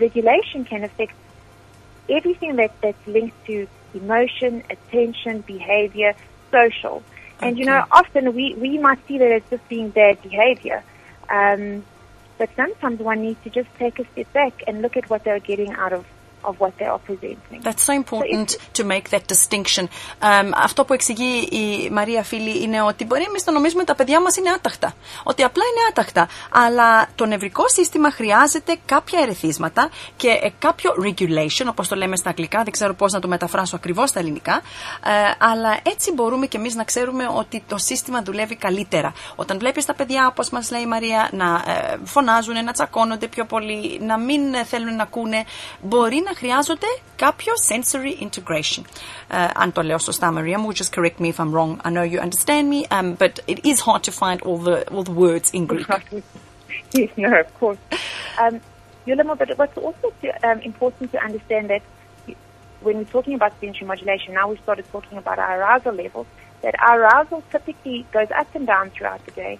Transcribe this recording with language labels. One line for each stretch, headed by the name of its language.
English: Regulation can affect everything that's linked to emotion, attention, behavior, social. Okay. And, you know, often we might see that as just being bad behavior. But sometimes one needs to just take a step back and look at what they're getting out of what they are presenting. That's so important to make that distinction.
Greek: Αυτό που εξηγεί η Μαρία φίλη είναι ότι μπορεί εμείς να νομίζουμε τα παιδιά μας είναι άταχτα. Ότι απλά είναι άταχτα. Αλλά το νευρικό σύστημα χρειάζεται κάποια ερεθίσματα και κάποιο regulation, όπως το λέμε στα αγγλικά, δεν ξέρω πώς να το μεταφράσω ακριβώς στα ελληνικά. Αλλά έτσι μπορούμε και εμείς να ξέρουμε ότι το σύστημα δουλεύει καλύτερα. Όταν βλέπεις τα παιδιά, όπως μας λέει η Μαρία, να φωνάζουν, να τσακώνονται πιο πολύ, να μην θέλουν να ακούνε, μπορεί να χρειάζονται κάποιο sensory integration. Αν το λέω σωστά,
English: Maria, μου, just correct me if I'm wrong. I know you understand me, but it is hard to find all the words in Greek. No, of course. Youla, but what's also important to understand that when we're talking about sensory modulation, now we started talking about our arousal levels, that our arousal typically goes up and down throughout the day.